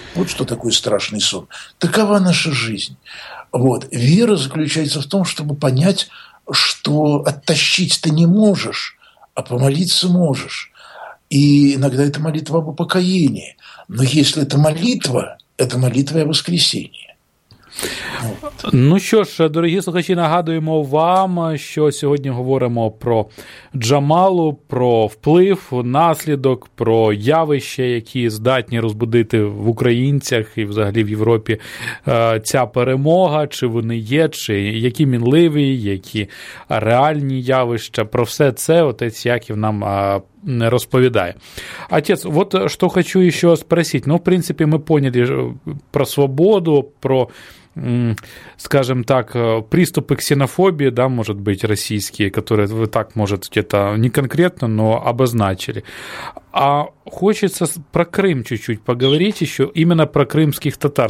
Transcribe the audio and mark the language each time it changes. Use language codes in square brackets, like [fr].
[ru] Вот что такое страшный сон. Такова наша жизнь. Вот. Вера заключается в том, чтобы понять, что оттащить ты не можешь, а помолиться можешь. И иногда это молитва об упокоении. Но если это молитва, это молитва о воскресении. [uk] Ну що ж, дорогі слухачі, нагадуємо вам, що сьогодні говоримо про Джамалу, про вплив, наслідок, про явища, які здатні розбудити в українцях і взагалі в Європі ця перемога, чи вони є, чи які мінливі, які реальні явища. Про все це отець Яків нам не розповідає. Отець, от що хочу ще спросити. [ru] Ну, [uk] в принципі, ми поняли про свободу, [ru] про, скажем так, приступы к ксенофобии, да, может быть, российские, которые вы так, может, где-то не конкретно, но обозначили. А хочется про Крым чуть-чуть поговорить еще, именно про крымских татар.